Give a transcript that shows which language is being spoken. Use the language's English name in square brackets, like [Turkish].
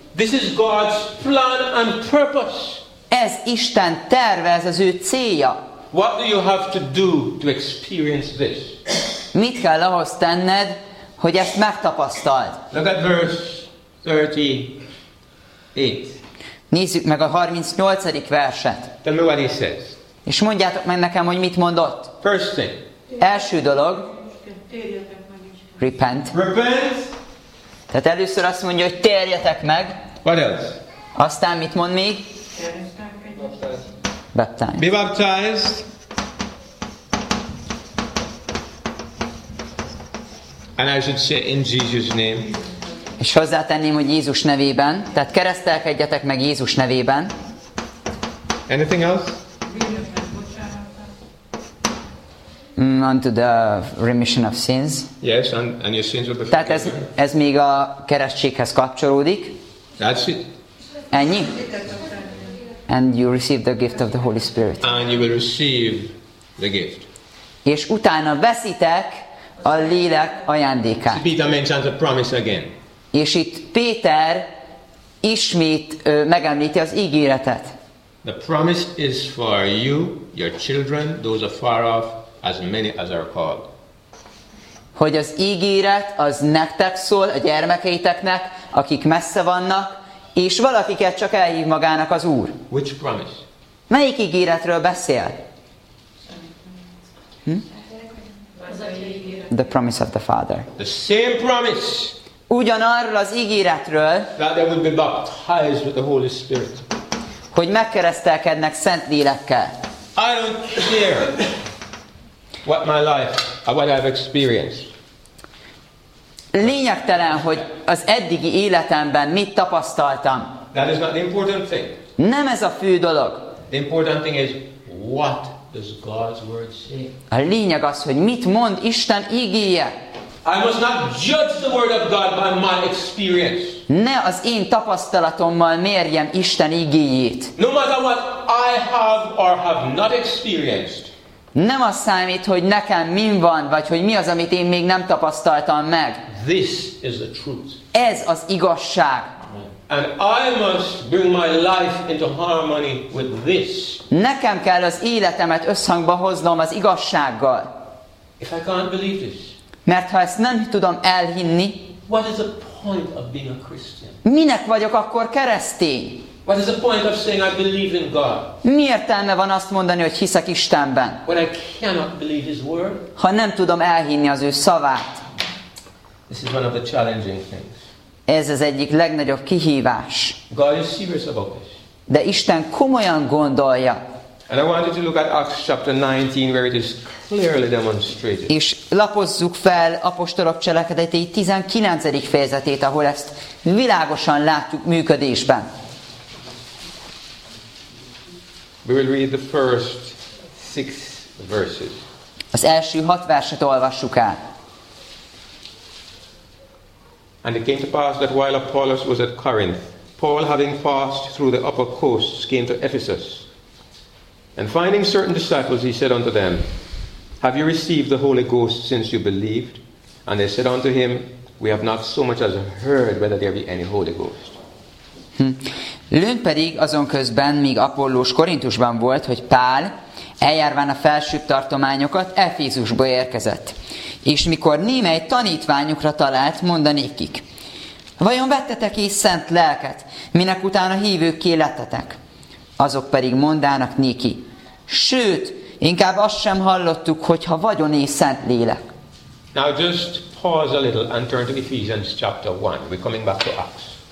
[English] This is God's plan and purpose. [Hungarian] Ez Isten terve, ez az ő célja. [English] What do you have to do to experience this? [Hungarian] Mit kell ahhoz tenned, hogy ezt megtapasztald? [English] Look at verse 38. [Hungarian] Nézzük meg a 38. verset. [English] Tell me what he says. [Hungarian] És mondjátok meg nekem, hogy mit mondott. [English] First thing. [Hungarian] Első dolog. [English] Repent. Repent. [Hungarian] Tehát először azt mondja, hogy térjetek meg. [English] What else? [Hungarian] Aztán mit mond még? [English] baptized. Be baptized. And I should say in Jesus' name. [Hungarian] És hozzátenném, hogy Jézus nevében, tehát keresztelkedjetek meg Jézus nevében. [English] Anything else? Unto the remission of sins. Yes, and your sins will be forgiven. [Hungarian] Tehát ez még a keresztséghez kapcsolódik. [English] That's it. [Hungarian] Ennyi. [English] And you receive the gift of the Holy Spirit. And you will receive the gift. [Hungarian] És utána veszitek a lélek ajándékát. [English] See, Peter mentions a promise again. [Hungarian] És itt Péter ismét megemlíti az ígéretet. [English] The promise is for you, your children, those afar off, as many as are called. [Hungarian] Hogy az ígéret az nektek szól, a gyermekeiteknek, akik messze vannak, és valakiket csak elhív magának az Úr. [English] Which promise? [Hungarian] Melyik ígéretről beszél? [English] The promise of the Father. The same promise. [Hungarian] Ugyanarról az ígéretről, [English] that they would be baptized with the Holy Spirit. [Hungarian] Hogy megkeresztelkednek szent lélekkel. [English] I don't care what my life, what I've experienced. [Hungarian] Lényegtelen, hogy az eddigi életemben mit tapasztaltam. [English] That is not the important thing. [Hungarian] Nem ez a fő dolog. [English] The important thing is what does God's word say. [Hungarian] A lényeg az, hogy mit mond Isten ígéje. [English] I must not judge the word of God by my experience. [Hungarian] Ne az én tapasztalatommal mérjem Isten ígéjét. [English] No matter what I have or have not experienced. [Hungarian] Nem az számít, hogy nekem mi van, vagy hogy mi az, amit én még nem tapasztaltam meg. [English] This is the truth. [Hungarian] Ez az igazság. [English] And I must bring my life into harmony with this. [Hungarian] Nekem kell az életemet összhangba hoznom az igazsággal. [English] If I can't believe this. [Hungarian] Mert ha ezt nem tudom elhinni, [English] what is the point of being a Christian? [Hungarian] Minek vagyok akkor keresztény? [English] What is the point of saying I believe in God? [Hungarian] Mi értelme van azt mondani, hogy hiszek Istenben? [English] When I cannot believe His word? [Hungarian] Ha nem tudom elhinni az ő szavát. [English] This is one of the challenging things. [Hungarian] Ez az egyik legnagyobb kihívás. [English] God is serious about this. [Hungarian] De Isten komolyan gondolja. [English] And I want you to look at Acts chapter 19 where it is clearly demonstrated. [Hungarian] És lapozzuk fel Apostolok cselekedetei 19. fejezetét, ahol ezt világosan látjuk működésben. [English] We will read the first 6 verses. [Hungarian] Az első 6 verset olvassuk el. [English] And it came to pass that while Apollos was at Corinth, Paul, having passed through the upper coasts, came to Ephesus. And finding certain disciples, he said unto them, Have you received the Holy Ghost since you believed? And they said unto him, We have not so much as heard whether there be any Holy Ghost. [Hungarian] Lőn pedig azon közben, míg Apollós Korintusban volt, hogy Pál, eljárván a felsőbb tartományokat, Efézusba érkezett. És mikor némely tanítványukra talált, mondanékik, Vajon vettetek is szent lelket, minek utána hívőkké lettetek? Azok pedig mondának néki, sőt, inkább azt sem hallottuk, hogyha vagyon és szent lélek. [English] Now just pause a little and turn to Ephesians chapter 1. We're coming back to Acts.